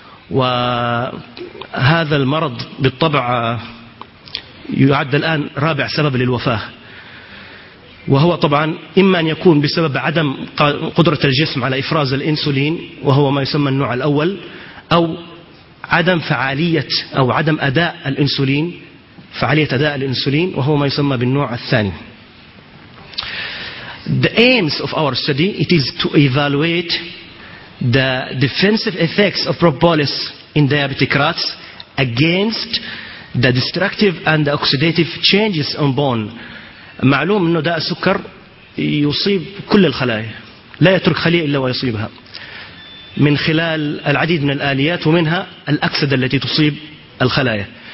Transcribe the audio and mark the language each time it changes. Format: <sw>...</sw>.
<ar>وهذا المرض بالطبع يعد الآن رابع سبب للوفاة، وهو طبعا إما أن يكون بسبب عدم قدرة الجسم على إفراز الإنسولين وهو ما يسمى النوع الأول، أو عدم فعالية أو عدم أداء الإنسولين، فعالية أداء الإنسولين وهو ما يسمى بالنوع الثاني.</ar> <en>The aims of our study, it is to evaluate the defensive effects of propolis in diabetic rats against the destructive and the oxidative changes on bone.</en> <ar>معلوم أنه داء السكر يصيب كل الخلايا، لا يترك خلية إلا ويصيبها، من خلال العديد من الآليات ومنها الأكسدة التي تصيب الخلايا.</ar>